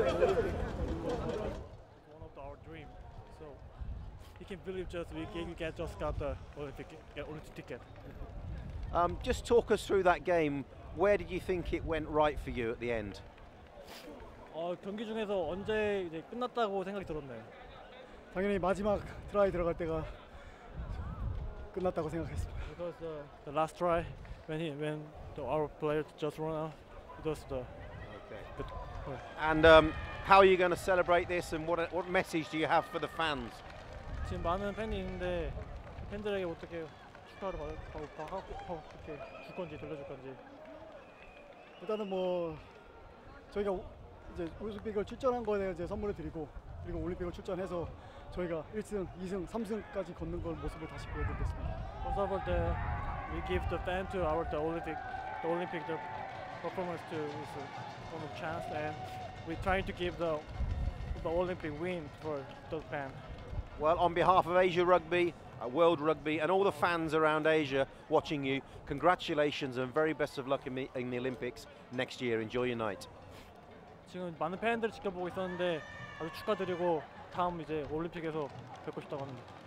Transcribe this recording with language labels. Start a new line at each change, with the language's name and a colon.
English: One of our dreams. So you can believe just we can get just got the Olympic ticket. Just talk us through that game. Where did you think it went right for you at the end?
Korean: 경기 중에서 언제 이제 끝났다고 생각이 들었나요? 당연히 마지막 트라이 들어갈 때가 끝났다고 생각했습니다.
English: It was the last try when our player just run out. It was the And how are you going to celebrate this? And what message do you have for the fans?
Korean: 지금 많은 팬이 있는데 팬들에게 어떻게 축하를 받을까? 어떻게 줄 건지 돌려줄 건지. 일단은 뭐 저희가 이제 올림픽을 출전한 거에 이제 선물을 드리고 그리고 올림픽을 출전해서 저희가 1승, 2승, 3승까지 걷는 걸 모습을 다시 보여드리겠습니다.
English: First of all, we give the fan to our the Olympic the performance to is on a chance, and we're trying to give the Olympic win for the fan. Well, on behalf of Asia Rugby, World Rugby, and all the fans around Asia watching you, congratulations and very best of luck in the Olympics next year. Enjoy your night.
Korean: 지금 많은 팬들 지켜보고 있었는데 아주 축하드리고 다음 이제 올림픽에서 뵙고 싶다고 합니다.